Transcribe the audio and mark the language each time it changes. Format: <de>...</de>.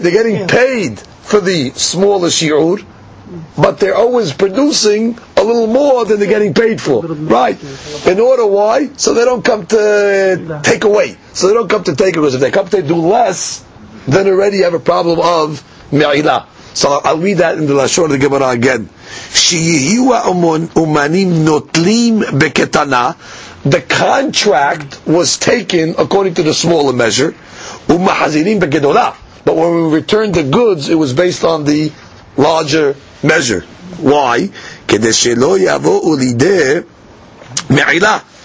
<en>They're getting paid for the smaller shi'ur, but they're always producing a little more than they're getting paid for. Right. In order, why? So they don't come to take away. So they don't come to take away. Because if they come to do less, then already you have a problem of mi'ilah. So I'll read that in the Lashon of the Gemara again.</en> <he>שיהיו האומנים נוטלים בקטנה.</he> <en>The contract was taken according to the smaller measure.</en> <he>ומחזירים בגדולה.</he> <en>But when we returned the goods, it was based on the larger measure. Why?</en> <he>כדי שלא יבואו לידי מעילה.</he>